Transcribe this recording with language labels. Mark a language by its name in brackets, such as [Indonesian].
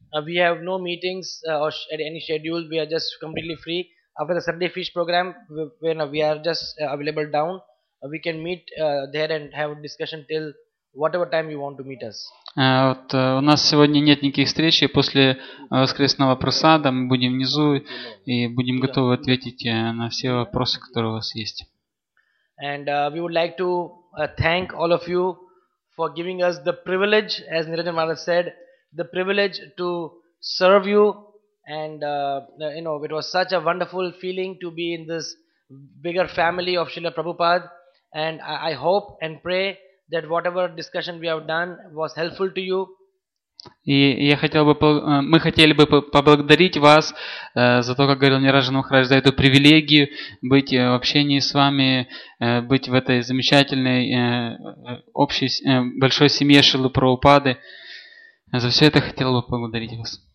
[English] We have no meetings or any schedule. We are just completely free. After the Sunday fish program, we are just available down. We can meet there and have a discussion till whatever time you want to meet us. [Russian] У нас сегодня нет никаких встреч, и после воскресного просада мы будем внизу и будем готовы ответить на все вопросы, которые у вас есть. [English] And we would like to thank all of you for giving us the privilege, as Niranjan Maharaj said, the privilege to serve you. And it was such a wonderful feeling to be in this bigger family of Srila Prabhupada. And I hope and pray that whatever discussion we have done was helpful to you. [Russian] И я хотел бы, мы хотели бы поблагодарить вас за то, как говорил Ниранджан Махарадж, за эту привилегию быть в общении с вами, быть в этой замечательной общей большой семье Шрилы Прабхупады. За все это хотел бы поблагодарить вас.